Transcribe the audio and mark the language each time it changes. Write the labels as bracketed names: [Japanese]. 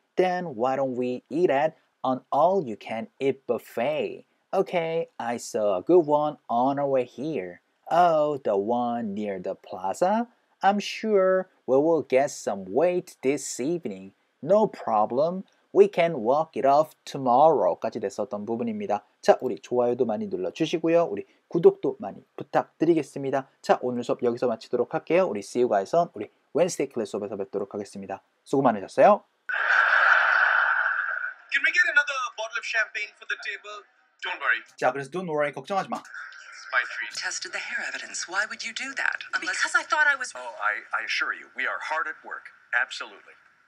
[English] Then why don't we eat at an all-you-can-eat buffet? Okay, I saw a good one on our way here. Oh, the one near the plaza? I'm sure we will get some weight this evening. No problem. We can walk it off tomorrow. [Korean] 까지 됐었던 부분입니다. 자, 우리 좋아요도 많이 눌러주시고요. 우리 구독도 많이 부탁드리겠습니다. 자, 오늘 수업 여기서 마치도록 할게요. 우리 see you guys on 우리 Wednesday class 수업에서 뵙도록 하겠습니다. 수고 많으셨어요. [English] Can we get another bottle of champagne for the table? Don't worry. [Korean] 자, 그래서 don't worry. 걱정하지 마. [English] Tested the hair evidence. Why would you do that? Unless... Because I thought I was... Oh, I assure you, we are hard at work. Absolutely.